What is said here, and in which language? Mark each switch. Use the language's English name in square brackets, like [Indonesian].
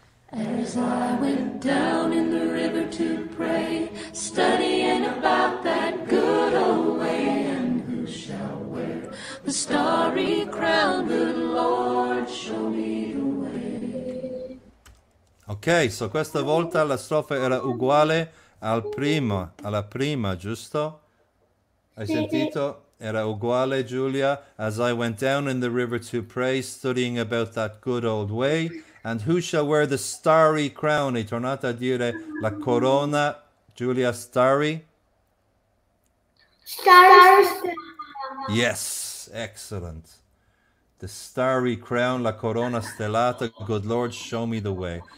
[English] As I went down in the river to pray, studying about that good old way, and who shall wear the starry crown, good Lord, show me the way. [Italian] Ok, so questa volta la strofa era uguale alla prima, giusto? Hai sentito? Era uguale, Giulia. [English] As I went down in the river to pray, studying about that good old way. And who shall wear the starry crown? [Italian] È tornata a dire la corona, Giulia Starry. [English] Yes, excellent. The starry crown, [Italian] la corona stellata, [English] good Lord, show me the way.